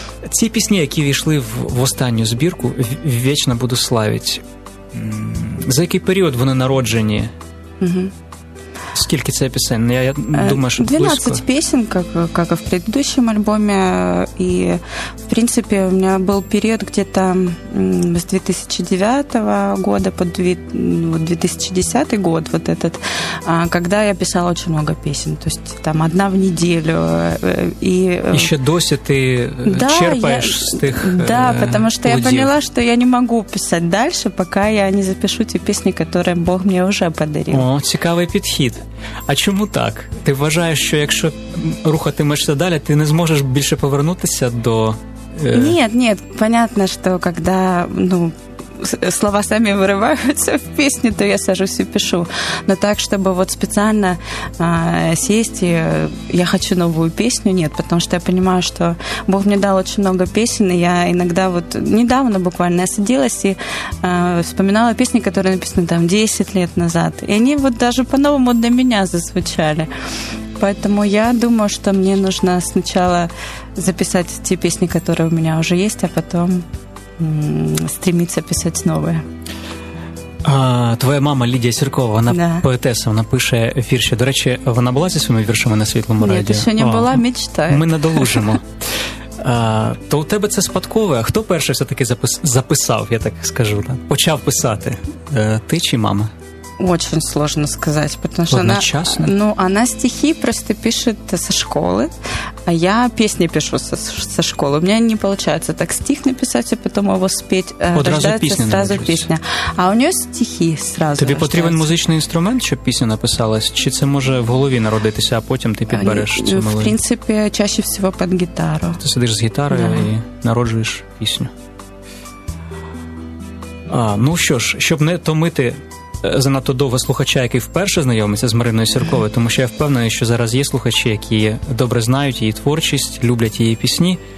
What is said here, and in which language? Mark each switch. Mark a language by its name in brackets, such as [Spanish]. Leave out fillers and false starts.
[Ukrainian] Ці пісні, які війшли в останню збірку, [Russian] «Вечно буду славить», [Ukrainian] за який період вони народжені? Угу. Скільки це пісень? Я думаю, що 12 близько. Пісень, як і в предыдущому альбомі. І, в принципі, у мене був період [Russian] где-то з 2009 по 2010 год, вот этот, когда я писала очень много песен, то есть там одна в неделю. И еще досі ты черпаешь с тех людей. Да, потому что я поняла, что я не могу писать дальше, пока я не запишу те песни, которые Бог мне уже подарил. [Ukrainian] О, цікавий підхід. А чому так? Ти вважаєш, що якщо рухатимешся далі, ти не зможеш більше повернутися до... Ні, понятно, що коли, слова самі вириваються в пісні, то я сажусь і пишу. Но так, щоб спеціально сісти, я хочу нову пісню, ні. Тому що я розумію, що Бог мені дав дуже багато пісень, і я іноді, недавно буквально, я садилась і вспоминала пісні, які написані там 10 років назад. І вони навіть по-новому для мене зазвучали. [Russian] Поэтому я думаю, что мне нужно сначала записать те песни, которые у меня уже есть, а потом стремиться писать новые. [Ukrainian] А, твоя мама Лідія Сіркова, вона поетеса, вона пише вірші. До речі, вона була зі своїми віршами на Світлому радіо? Ні, ще не була, мечтаю. Ми надолужимо. То у тебе це спадкове? А хто перший все-таки записав, я так скажу, да? Почав писати? Ти чи мама? [Russian] Очень сложно сказать, потому что она стихи просто пишет со школы, а я песни пишу со школы. У меня не получается так стих написать, а потом его спеть. Сразу песня. А у нее стихи сразу. [Ukrainian] Тебе потрібен музичний інструмент, щоб пісня написалась? Чи це може в голові народитися, а потім ти підбереш цю мелодію? [Russian] В принципі, чаще всего под гитару. [Ukrainian] Ти сидиш з гітарою і народжуєш пісню. А, ну що ж, щоб не томити занадто довго слухача, який вперше знайомиться з Мариною Сірковою, тому що я впевнений, що зараз є слухачі, які добре знають її творчість, люблять її пісні.